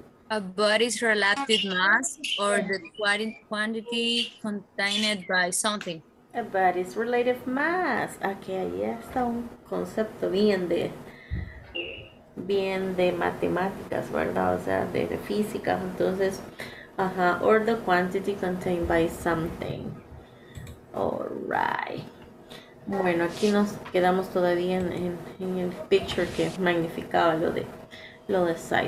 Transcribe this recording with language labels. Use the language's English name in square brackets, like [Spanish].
[English] A body's relative mass or the quantity contained by something. A body's relative mass. [Spanish] Okay, ahí está un concepto bien de matemáticas, ¿verdad? O sea, de física. [English] Entonces, ajá, or the quantity contained by something. All right. [Spanish] Bueno, aquí nos quedamos todavía en el picture que magnificaba lo de size.